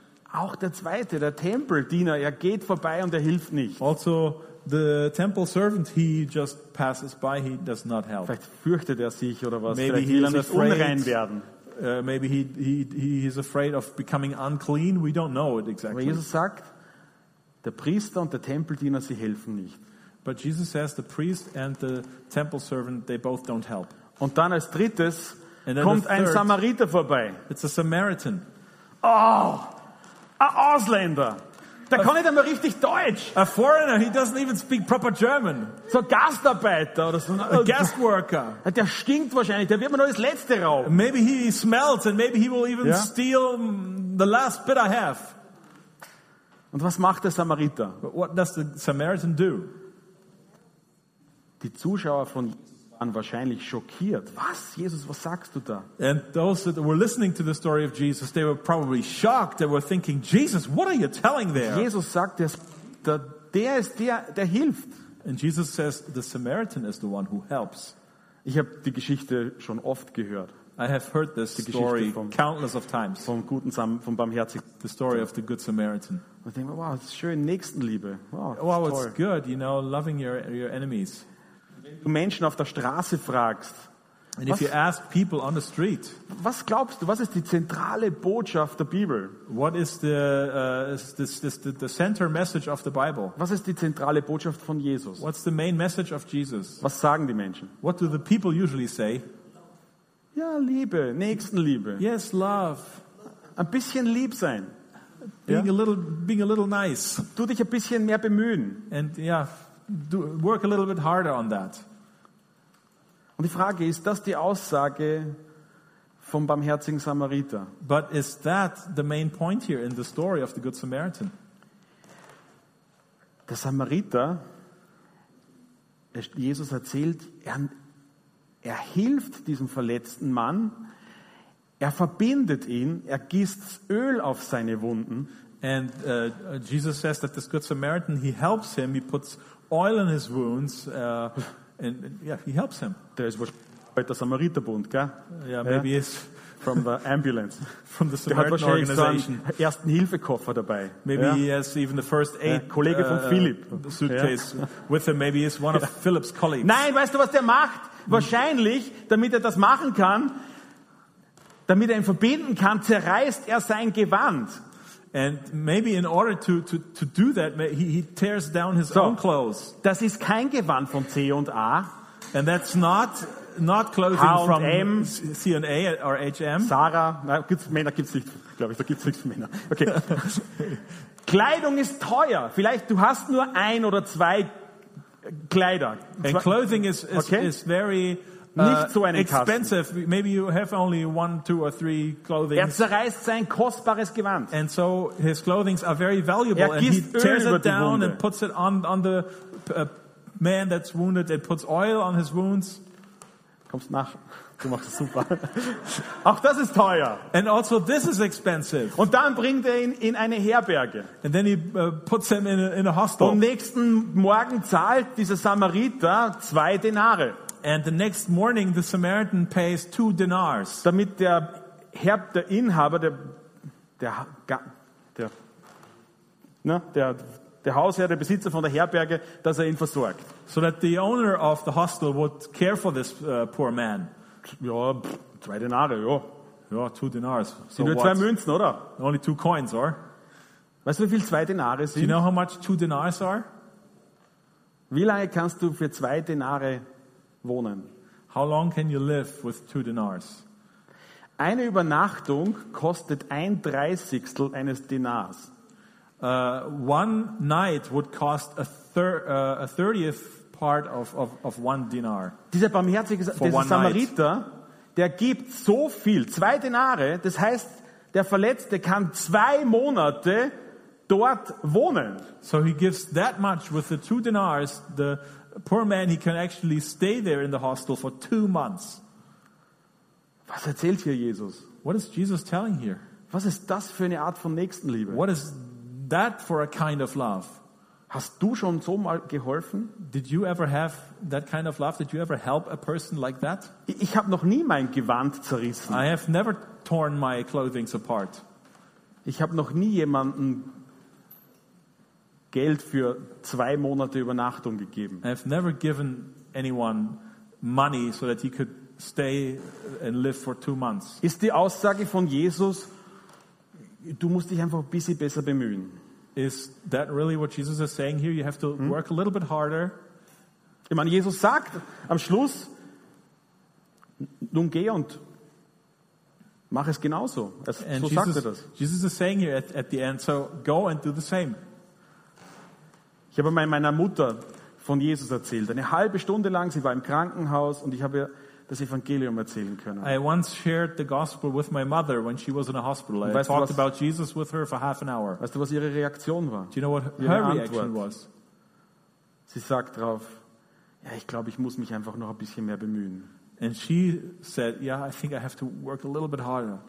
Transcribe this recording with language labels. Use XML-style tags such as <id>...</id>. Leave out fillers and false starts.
<de>Auch der zweite, der Tempeldiener, er geht vorbei und er hilft nicht.</de> <en>Also the temple servant, he just passes by, he does not help.</en> <de>Vielleicht fürchtet er sich oder was?</de> <en>Maybe</en> <de>vielleicht</de> <en>he is afraid.</en> <de>Unrein werden.</de> <en>Maybe he is afraid of becoming unclean. We don't know it exactly.</en> <de>Aber Jesus sagt, der Priester und der Tempeldiener, sie helfen nicht.</de> <en>But Jesus says the priest and the temple servant, they both don't help.</en> <de>Und dann als drittes kommt ein Samariter vorbei.</de> <en>It's a Samaritan.</en> <de>Oh, ein Ausländer. Der kann nicht einmal richtig Deutsch.</de> <en>A foreigner, he doesn't even speak proper German.</en> <de>So ein Gastarbeiter oder so.</de> <en>A guest worker.</en> <de>Der stinkt wahrscheinlich, der wird mir nur das Letzte rauben.</de> <en>Maybe he smells and maybe he will even steal the last bit I have.</en> <de>Und was macht der Samariter?</de> <en>What does the Samaritan do?</en> <de>Die Zuschauer von Jesus an wahrscheinlich schockiert. Was, Jesus, was sagst du da?</de> <en>And those that were listening to the story of Jesus, they were probably shocked. They were thinking, Jesus, what are you telling there?</en> <de>Jesus sagt, der ist der hilft.</de> <en>And Jesus says, the Samaritan is the one who helps.</en> <de>Ich habe die Geschichte schon oft gehört.</de> <en>I have heard this story countless of times.</en> <de>Vom barmherzigen,</de> <en>the story of the good Samaritan. I think, wow, it's</en> <de>schön, Nächstenliebe.</de> <en>Wow, it's good, you know, loving your enemies.</en> <de>Wenn du Menschen auf der Straße fragst,</de> <en>and if you ask people on the street,</en> <de>was glaubst du, was ist die zentrale Botschaft der Bibel?</de> <en>What is the center message of the Bible?</en> <de>Was ist die zentrale Botschaft von Jesus?</de> <en>What's the main message of Jesus?</en> <de>Was sagen die Menschen?</de> <en>What do the people usually say?</en> <de>Ja, Liebe, Nächstenliebe.</de> <en>Yes, love.</en> <de>Ein bisschen lieb sein.</de> <en>Being a little, nice.</en> <de>Tu dich ein bisschen mehr bemühen.</de> <en>And yeah, work a little bit harder on that.</en> <de>Und die Frage ist, das die Aussage vom barmherzigen Samariter?</de> <en>But is that the main point here in the story of the Good Samaritan?</en> <de>Der Samariter, Jesus erzählt, er hilft diesem verletzten Mann, er verbindet ihn, er gießt Öl auf seine Wunden.</de> <en>And Jesus says that this Good Samaritan, he helps him, he puts oil in his wounds, he helps him.</en> <de>Der ist wahrscheinlich der Samariterbund, gell?</de> <en>Yeah, maybe he's from the ambulance. From the Samaritan organization.</en> <de>Der hat wahrscheinlich so einen Ersten-Hilfe-Koffer dabei.</de> <en>Maybe he has even the first aid</en> <de>Kollege von Philipp.</de> <en>Suitcase with him. Maybe he's one of Philipp's colleagues.</en> <de>Nein, weißt du, was der macht? Wahrscheinlich, damit er das machen kann, damit er ihn verbinden kann, zerreißt er sein Gewand.</de> <en>And maybe in order to do that, he tears down his own clothes.</en> <de>Das ist kein Gewand von C und A.</de> <en>And that's not clothing from C and A or HM.</en> <de>Sarah, Männer gibt's nicht, glaube ich, da gibt's nichts für Männer. Okay. Kleidung ist teuer. Vielleicht du hast nur ein oder zwei Kleider.</de> <en>And clothing is okay. Is very</en> <de>nicht so eine</de> <en>expensive.</en> <de>Kasten.</de> <en>Maybe you have only one, two or three clothing.</en> <de>Er zerreißt sein kostbares Gewand.</de> <en>And so his clothing are very valuable. And he tears it down and puts it on the man that's wounded. It puts oil on his wounds.</en> <de>Kommst nach. Du machst es super. Auch das ist teuer.</de> <en>And also this is expensive.</en> <de>Und dann bringt er ihn in eine Herberge.</de> <en>And then he puts him in a hostel.</en> <de>Und nächsten Morgen zahlt dieser Samariter 2 Denare.</de> <en>And the next morning the Samaritan pays 2 Denars.</en> <de>Damit der Inhaber, der Hausherr, der Besitzer von der Herberge, dass er ihn versorgt.</de> <en>So that the owner of the hostel would care for this poor man.</en> <de>Ja, 2 Denare, ja.</de> <en>Ja, 2 Denars.</en> <de>Sind nur 2 Münzen, oder?</de> <en>Only 2 coins, or?</en> <de>Weißt du, wie viel 2 Denare sind?</de> <en>Do you know how much 2 Denars are?</en> <de>Wie lange kannst du für 2 Denare wohnen?</de> <en>How long can you live with 2 Denars?</en> <de>Eine Übernachtung kostet 1/30 eines Denars.</de> <en>One night would cost a 30th part of 1 dinar.</en> <de>Dieser barmherzige Samariter, der gibt so viel, 2 Denare, das heißt, der Verletzte kann 2 Monate dort wohnen.</de> <en>So he gives that much with the 2 dinars, the poor man, he can actually stay there in the hostel for 2 months.</en> <de>Was erzählt hier Jesus?</de> <en>What is Jesus telling here?</en> <de>Was ist das für eine Art von Nächstenliebe?</de> <en>What is that for a kind of love?</en> <de>Hast du schon so mal geholfen?</de> <en>Did you ever have that kind of love? Did you ever help a person like that?</en> <de>Ich habe noch nie mein Gewand zerrissen.</de> <en>I have never torn my clothing apart.</en> <de>Ich habe noch nie jemanden Geld für 2 Monate Übernachtung gegeben.</de> <en>I have never given anyone money so that he could stay and live for 2 months.</en> <de>Ist die Aussage von Jesus, du musst dich einfach ein bisschen besser bemühen?</de> <en>Is that really what Jesus is saying here? You have to work a little bit harder.</en> <de>Ich meine, Jesus sagt am Schluss, nun geh und mach es genauso.</de> <en>And so Jesus,</en> <de>sagt er das.</de> <en>Jesus is saying here at the end, so go and do the same.</en> <de>Ich habe mal meiner Mutter von Jesus erzählt. Eine halbe Stunde lang, sie war im Krankenhaus und ich habe das Evangelium erzählen können.</de> <en>I once shared the gospel with my mother when she was in a hospital. I talked about Jesus with her for half an hour.</en> <de>Weißt du, was ihre Reaktion war?</de> <en>Do you know what her reaction was?</en> <de>Sie sagt drauf, Ja, ich glaube, ich muss mich einfach noch ein bisschen mehr bemühen.</de> <en>And she said, yeah, I think I have to work a little bit harder.</en>